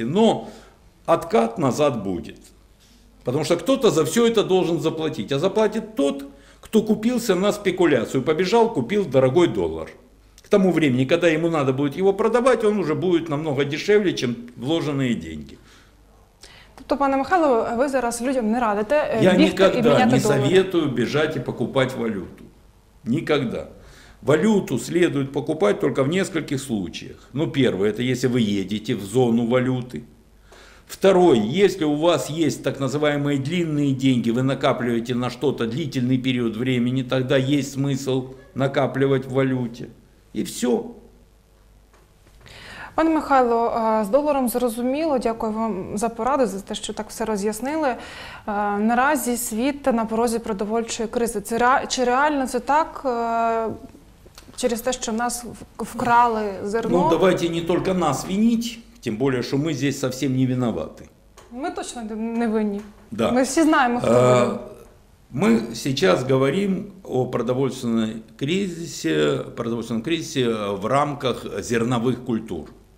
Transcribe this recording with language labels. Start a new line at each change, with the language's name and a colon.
Russian: Но откат назад будет. Потому что кто-то за все это должен заплатить. А заплатит тот, кто купился на спекуляцию, побежал, купил дорогой доллар. К тому времени, когда ему надо будет его продавать, он уже будет намного дешевле, чем вложенные деньги.
Ukrainian: Тобто, пане Михайло, ви зараз людям не радите бігти і міняти долари?
Russian: Я никогда не советую бежать и покупать валюту. Никогда. Валюту следует покупать только в нескольких случаях. Ну, первое, это если вы едете в зону валюты. Второй, если у вас есть так называемые длинные деньги, вы накапливаете на что-то длительный период времени, тогда есть смысл накапливать в валюте. И все.
Ukrainian: Пане Михайло, з доларом зрозуміло. Дякую вам за пораду, за те, що так все роз'яснили. Наразі світ на порозі продовольчої кризи. Чи реально це так? Через те, що нас вкрали зерно?
Russian: Ну, давайте не только нас винить. Тем более, что мы здесь совсем не виноваты. Мы точно не
Ukrainian: винні.
Russian: Да. Мы все знаем, кто Мы сейчас говорим о продовольственном кризисе в рамках зерновых культур.